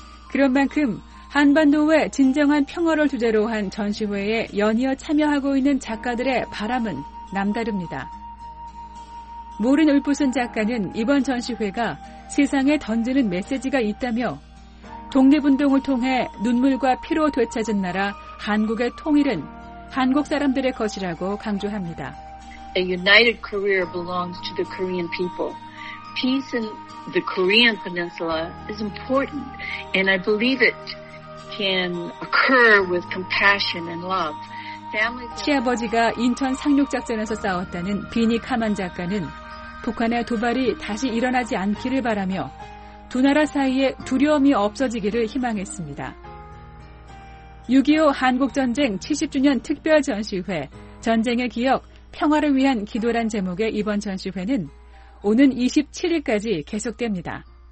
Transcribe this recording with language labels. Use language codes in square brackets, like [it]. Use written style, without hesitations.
[ko] 그런 만큼 한반도의 진정한 평화를 주제로 한 전시회에 연이어 참여하고 있는 작가들의 바람은 남다릅니다. 모린 울프슨 작가는 이번 전시회가 세상에 던지는 메시지가 있다며 독립운동을 통해 눈물과 피로 되찾은 나라 한국의 통일은 한국 사람들의 것이라고 강조합니다. [en] A united Korea belongs to the Korean people. Peace in the Korean Peninsula is important, and I believe it can occur with compassion and love. [ko] 시아버지가 인천 상륙작전에서 싸웠다는 비니 카만 작가는 북한의 도발이 다시 일어나지 않기를 바라며 두 나라 사이에 두려움이 없어지기를 희망했습니다. 6.25 한국전쟁 70주년 특별전시회 전쟁의 기억 평화를 위한 기도란 제목의 이번 전시회는 오는 27일까지 계속됩니다.